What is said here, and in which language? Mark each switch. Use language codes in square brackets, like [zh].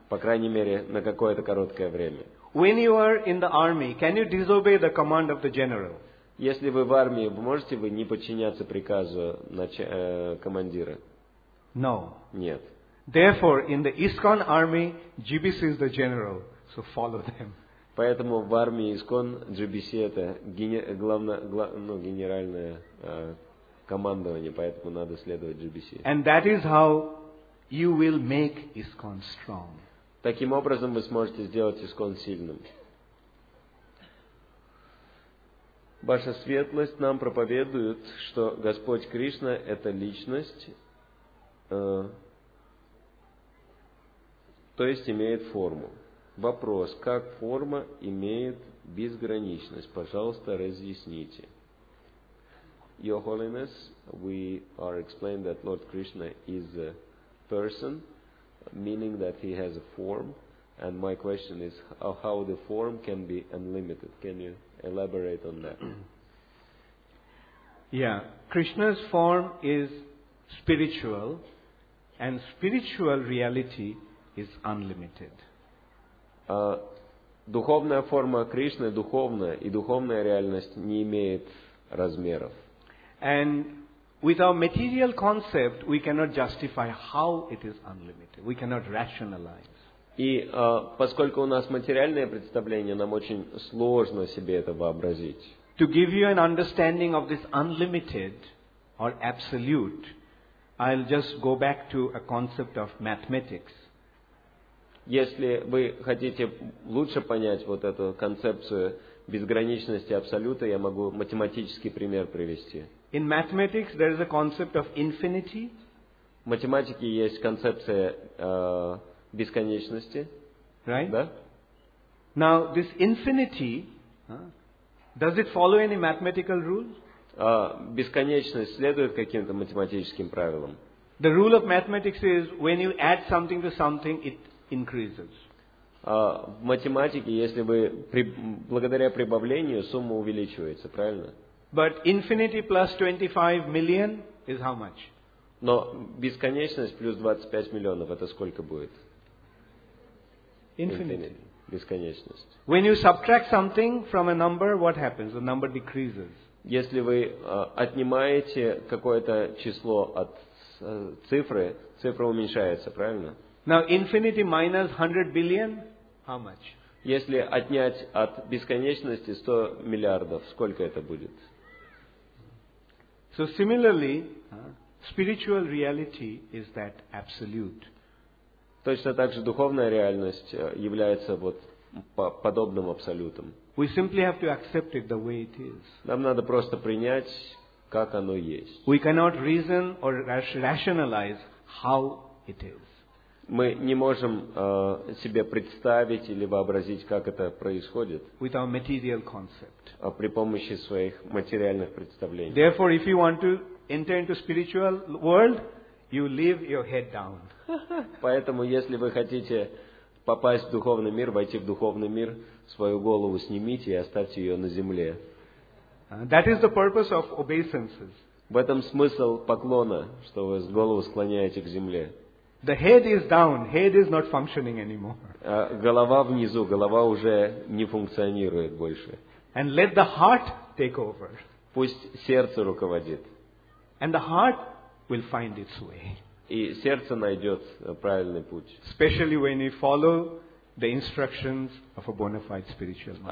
[ru] По крайней мере, на какое-то короткое время. [en] When you are in the army, can you disobey the command of the general? [ru] Если вы в армии, можете вы не подчиняться приказу командира? [en] No. [ru] Нет. [en] Therefore, in the ISKCON army, GBC is the general, so follow them. [ru] Поэтому в армии ИСКОН GBC это генеральное командование, поэтому надо следовать GBC. [en] And that is how you will make ISKCON strong. [ru] Таким образом вы сможете сделать ИСКОН сильным. Ваша Светлость, нам проповедуют, что Господь Кришна это личность, то есть имеет форму. Вопрос, как форма имеет безграничность? Пожалуйста, разъясните. [en] Your Holiness, we are explained that Lord Krishna is a person, meaning that he has a form. And my question is, how the form can be unlimited? Can you elaborate on that? Yeah, Krishna's form is spiritual, and spiritual reality is unlimited. [ru] Духовная форма Кришны духовная, и духовная реальность не имеет размеров. [en] And with our material concept, we cannot justify how it is unlimited. We cannot rationalize. [ru] И поскольку у нас материальное представление, нам очень сложно себе это вообразить. [en] To give you an understanding of this unlimited or absolute, I'll just go back to a concept of mathematics. [ru] Если вы хотите лучше понять вот эту концепцию безграничности абсолюта, я могу математический пример привести. [en] In mathematics, there is a concept of infinity. [ru] В математике есть концепция бесконечности. [en] Right? [ru] Да? [en] Now, this infinity, does it follow any mathematical rule? [ru] Бесконечность следует каким-то математическим правилам. [en] The rule of mathematics is when you add something to something, it increases. [ru] В математике, если вы благодаря прибавлению сумма увеличивается, правильно? [en] But infinity plus 25 million is how much? [ru] Но бесконечность плюс 25 миллионов это сколько будет? [en] Infinity. [ru] Бесконечность. [en] When you subtract something from a number, what happens? The number decreases. [ru] Если вы отнимаете какое-то число от цифры, цифра уменьшается, правильно? [en] Now infinity minus 100 billion, how much? [ru] Если отнять от бесконечности 100 миллиардов, сколько это будет? [en] So similarly, spiritual reality is that absolute. [ru] Точно так же духовная реальность является вот подобным абсолютом. [en] We simply have to accept it the way it is. [ru] Нам надо просто принять, как оно есть. [en] We cannot reason or rationalize how it is. [ru] Мы не можем себе представить или вообразить, как это происходит. [en] With our material concept. [ru] При помощи своих материальных представлений. [en] Therefore, if you want to enter into spiritual world, you leave your head down. [ru] Поэтому, если вы хотите попасть в духовный мир, войти в духовный мир, свою голову снимите и оставьте ее на земле. [en] That is the purpose of obeisances. [ru] В этом смысл поклона, что вы голову склоняете к земле. [en] The head is down, head is not functioning anymore. [ru] Голова внизу, голова уже не функционирует больше. [en] And let the heart take over. [ru] Пусть сердце руководит. [en] And the heart will find its way. [ru] И сердце найдет правильный путь. [en] Especially when you follow the instructions of a bona fide spiritual master.